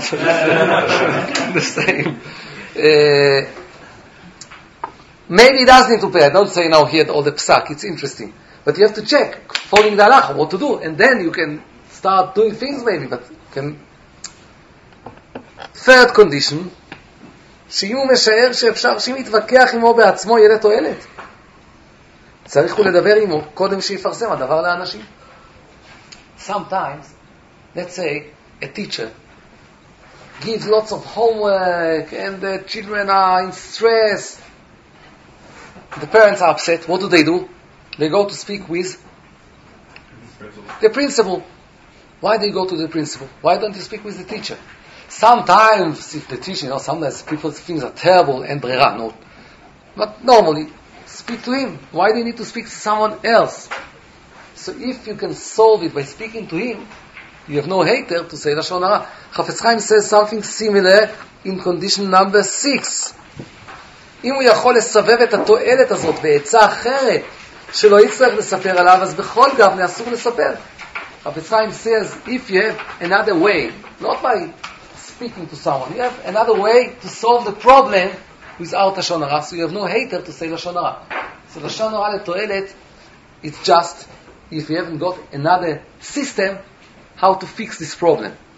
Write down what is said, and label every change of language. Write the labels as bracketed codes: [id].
[en] The same. Maybe he does need to pay. I don't say now he had all the psak. It's interesting. But you have to check, following the halacha, what to do. And then you can start doing things maybe. But can. Third condition. [he] שיהיו משער שאפשר, שאם יתווכח עמו בעצמו יהיה לתועלת. צריך הוא לדבר עמו קודם שיפרסם הדבר לאנשים. [en] Sometimes, let's say, a teacher gives lots of homework and the children are in stress. The parents are upset. What do they do? They go to speak with the principal. Why do you go to the principal? Why don't you speak with the teacher? Sometimes, if the teacher, you know, sometimes people's things are terrible and brera, no. But normally, speak to him. Why do you need to speak to someone else? So if you can solve it by speaking to him, you have no hater to say Lashon Hara. Chafetz Chaim says something similar in condition number 6. [he] אם הוא יכול לסבב את התועלת הזאת בעצה אחרת, שלא יצטרך לספר עליו, אז בכל גבני אסור לספר. [en] Chafetz Chaim says, if you have another way, not by speaking to someone, you have another way to solve the problem without Lashon Hara, so you have no hater to say Lashon Hara. So Lashon Hara לתועלת, it's just if you haven't got another system how to fix this problem.